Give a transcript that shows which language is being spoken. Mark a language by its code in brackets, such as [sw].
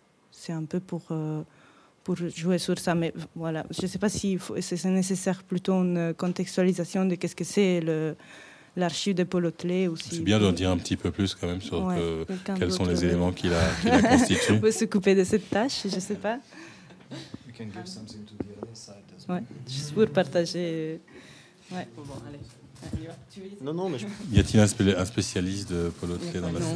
[fr] C'est un peu pour jouer sur ça, mais voilà, je ne sais pas si c'est nécessaire plutôt une contextualisation de qu'est-ce que c'est l'archive de Paul Hautelet. C'est bien d'en dire un petit peu plus quand même sur quels sont les éléments qui la constituent. On peut s'occuper de cette tâche, je ne sais pas. [en] You can give something to the other side as well. [fr] Ouais, juste pour partager. Ouais. Bon, allez. Non, mais y a-t-il un spécialiste de Paul Hautelet dans la salle?